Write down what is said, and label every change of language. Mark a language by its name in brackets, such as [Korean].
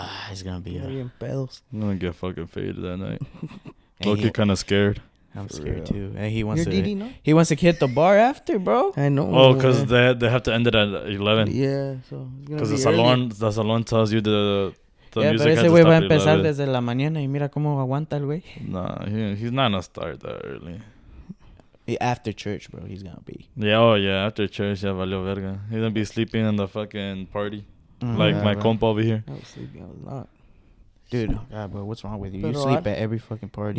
[English] He's gonna be I'm gonna get fucking faded that night. Loki kind of scared. I'm scared too. And he wants he wants to hit the bar after, bro. I know. Oh, because they have to end it at 11. Yeah, so because the salon tells you the music. [Spanish] Yeah, pero ese güey va a empezar desde la mañana y mira cómo aguanta el güey. [English] Nah, he's not gonna start that early. After church, bro, he's gonna be. Yeah, oh yeah, after church, yeah, [Spanish] valió verga. [English] He's gonna be sleeping in the fucking party. Like my compa over here. I was sleeping a lot. Dude, God, bro, what's wrong with you? You sleep at every fucking party.